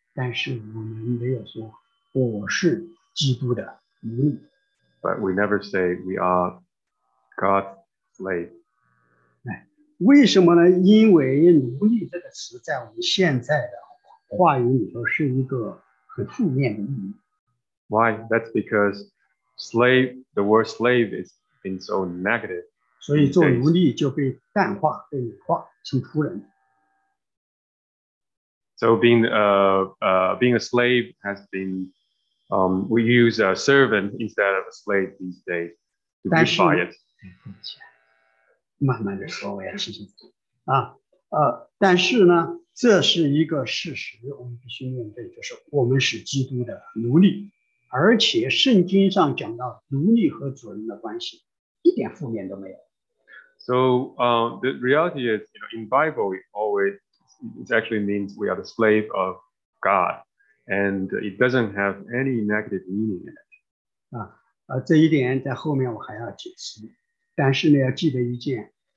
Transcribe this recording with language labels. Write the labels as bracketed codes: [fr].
[zh] 但是我们没有说我是基督的奴隶。 [en] But we never say we are God's slave. [zh] 为什么呢？因为奴隶这个词在我们现在的话语里头是一个很负面的意义。 [en] Why? That's because slave, the word slave is being so negative. [zh] 所以做奴隶就被淡化，被美化，成仆人。 [en] So being a slave has been, we use a servant instead of a slave these days to justify it. [zh] 但是呢，这是一个事实，我们必须面对，就是我们是基督的奴隶，而且圣经上讲到奴隶和主人的关系，一点负面都没有。 [en] So the reality is, you know, in Bible, it actually means we are the slave of God, and it doesn't have any negative meaning in it. [zh] 这一点在后面我还要解释，但是呢，要记得一件。